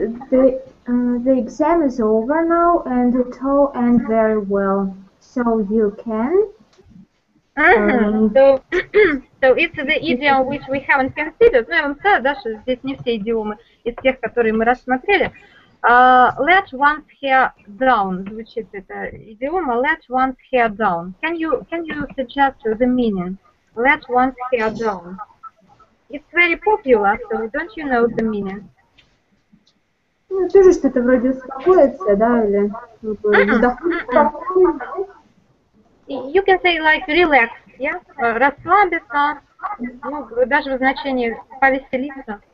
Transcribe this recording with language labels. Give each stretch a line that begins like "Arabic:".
English: So the exam is over now, and it all end very well. So you can. So it's the idiom which we haven't considered.
Russian: Ну я вам сказала, да, что здесь не все идиомы из тех, которые мы рассмотрели.
English: Let one's hair down.
Russian: Звучит это идиома.
English: Let one's hair down. Can you suggest the meaning? Let one's hair down. It's very popular, so don't you know the meaning?
Russian: Ну, тоже что-то вроде успокоиться, да, или вдохнуть.
English: You can say like relax, yeah?
Russian: Расслабиться, ну, даже в значении повеселиться.